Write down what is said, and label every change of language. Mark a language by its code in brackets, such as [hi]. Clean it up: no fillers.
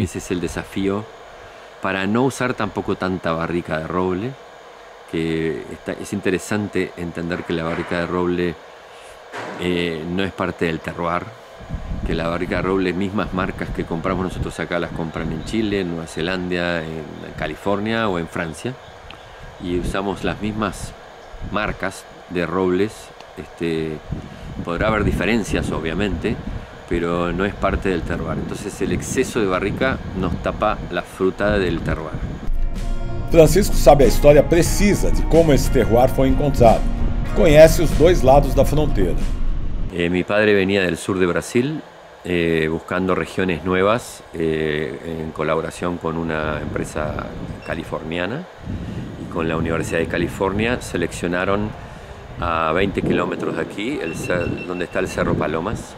[es] Ese es el desafío, para no usar tampoco tanta barrica de roble, que está, es interesante entender que la barrica de roble no es parte del terroir, que la barrica de roble, mismas marcas que compramos nosotros acá, las compran en Chile, en Nueva Zelanda, en California o en Francia, y usamos las mismas marcas de robles. Este, podrá haber diferencias, obviamente, pero no es parte del terroir. Entonces el exceso de barrica nos tapa la fruta del terroir. [pt] Francisco sabe a história precisa de como esse terroir foi encontrado. Conhece os dois lados da fronteira. [es] Mi padre venía del sur de Brasil buscando regiones nuevas en colaboración con una empresa californiana y con la Universidad de California. Seleccionaron a 20 kilómetros de aquí, donde está el Cerro Palomas.